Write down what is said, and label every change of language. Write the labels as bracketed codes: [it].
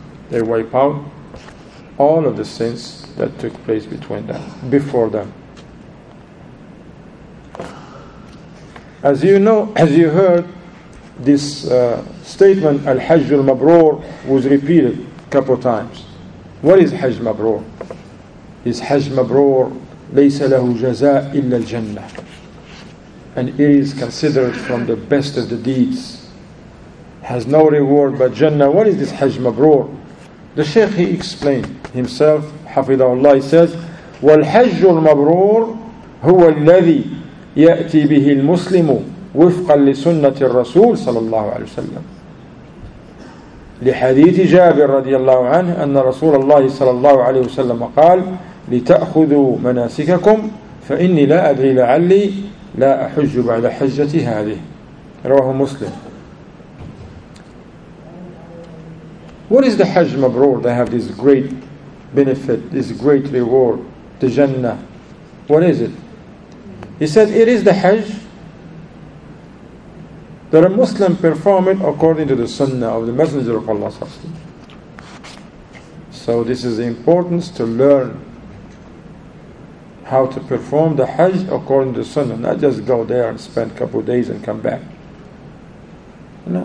[en] They wipe out all of the sins that took place between them, before them." As you know, as you heard, this statement, al-hajj al-mabroor, was repeated a couple of times. What is hajj mabroor? Is hajj mabroor, [ar] ليس له جزاء إلا الجنة. [en] And it is considered from the best of the deeds. Has no reward but Jannah. What is this Hajj Mabroor? The Shaykh, he explained himself, Hafidhahullah, he says, [ar] والحج المبرور هو الذي يأتي به المسلم وفقا لسنة الرسول صلى الله عليه وسلم لحديث جابر رضي الله عنه أن رسول الله صلى الله عليه وسلم قال لتأخذوا مناسككم فإني لا أدري لعلي لا أحج بعد حجتي هذه رواه مسلم. [en] What is the Hajj Mabroor? They have this great benefit, this great reward, the Jannah. What is it? He said it is the Hajj that a Muslim perform it according to the Sunnah of the Messenger of Allah sallallahu alaihi wasallam. So this is the importance to learn how to perform the Hajj according to the Sunnah, not just go there and spend a couple of days and come back. No.